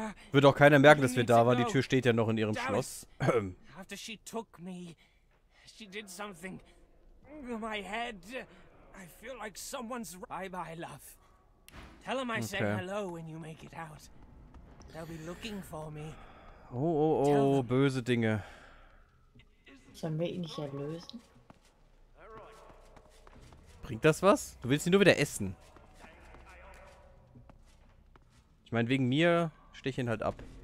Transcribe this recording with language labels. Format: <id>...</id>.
<de>Wird auch keiner merken, dass wir da waren. Die Tür steht ja noch in ihrem Schloss.</de> <en>After she took me, she did something. My head. I feel like someone's. Bye bye, love. Tell him I said hello when you make it out. They'll be looking for me.</en> <de>Oh, oh, oh, böse Dinge. Sollen wir ihn nicht erlösen? Bringt das was? Du willst ihn nur wieder essen. Ich meine, wegen mir stech ihn halt ab.</de>